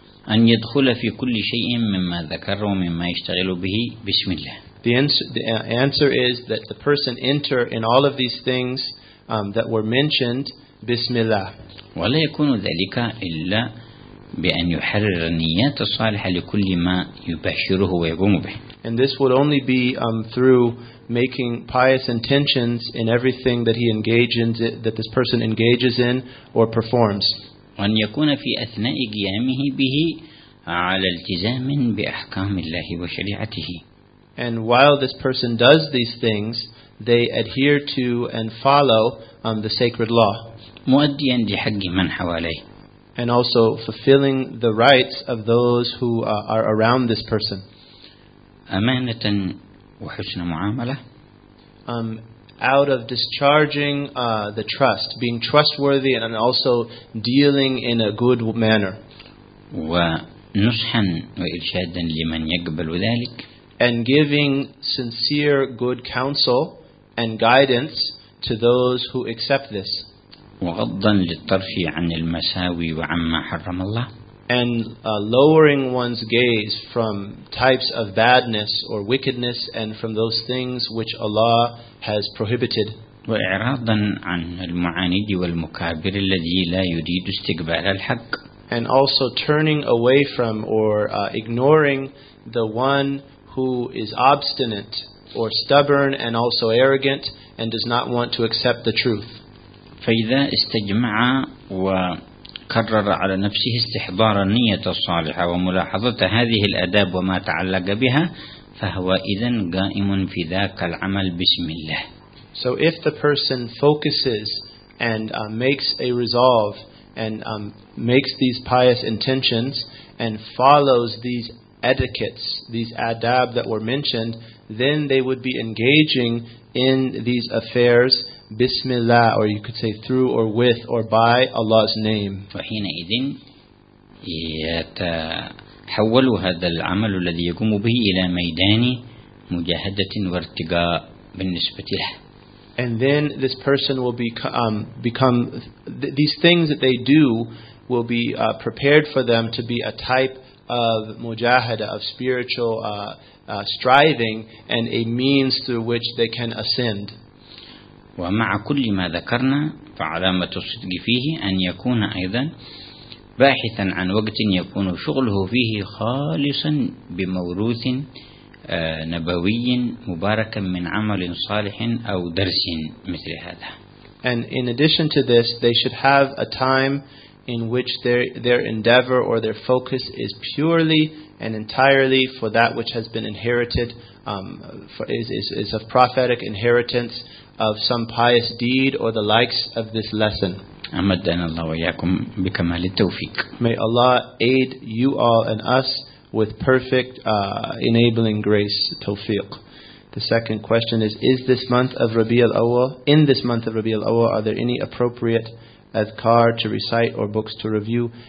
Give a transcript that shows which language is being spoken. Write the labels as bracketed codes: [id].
[ar] أن يدخل في كل شيء مما ذكره مما يشتغل به بسم الله. [en] The answer is that the person enter in all of these things that were mentioned [ar] بسم الله. ولا يكون ذلك إلا بأن يحرر النيات الصالحة لكل ما يبشره ويقوم به. [en] And this would only be through making pious intentions in everything that he engages that this person engages in or performs. [ar] وأن يكون في أثناء قيامه به على التزام بأحكام الله وشريعته. [en] And while this person does these things, they adhere to and follow the sacred law. [ar] مؤديا لحق من حواليه. [en] And also fulfilling the rights of those who are around this person. [ar] أمانة وحسن معاملة. [en] Out of discharging the trust, being trustworthy and also dealing in a good manner. [ar] ونصحاً وإرشاداً لمن يقبل ذلك. [en] And giving sincere good counsel and guidance to those who accept this. [ar] وغضاً للطرف عن المساوي وعما حرم الله. [en] And lowering one's gaze from types of badness or wickedness and from those things which Allah has prohibited. [ar] وإعراضاً عن المعاند والمكابر الذي لا يريد استقبال الحق. [en] And also turning away from or ignoring the one who is obstinate or stubborn and also arrogant and does not want to accept the truth. [ar] فإذا استجمع و كرر على نفسه استحضار النية الصالحة وملاحظة هذه الأداب وما تعلق بها فهو إذن قائم في ذاك العمل بسم الله. [en] So if the person focuses and makes a resolve and makes these pious intentions and follows these etiquettes, these adab that were mentioned, then they would be engaging in these affairs bismillah, or you could say through or with or by Allah's name. [ar] وحينئذٍ يتحول هذا العمل الذي يقوم به إلى ميدان مجاهدة وارتقاء بالنسبة له. [en] And then this person will become these things that they do will be prepared for them to be a type of mujahada, of spiritual striving, and a means through which they can ascend. [ar] ومع كل ما ذكرنا فعلامة الصدق فيه أن يكون أيضا باحثا عن وقت يكون شغله فيه خالصا بموروث نبوي مباركا من عمل صالح أو درس مثل هذا. [en] And in addition to this, they should have a time in which their endeavor or their focus is purely and entirely for that which has been inherited, is of prophetic inheritance of some pious deed or the likes of this lesson. [ar] أمدنا الله وإياكم بكمال التوفيق. [en] May Allah aid you all and us with perfect enabling grace, tawfiq. The second question is this month of Rabi al-Awwal, in this month of Rabi al-Awwal, are there any appropriate أذكار to recite or books to review?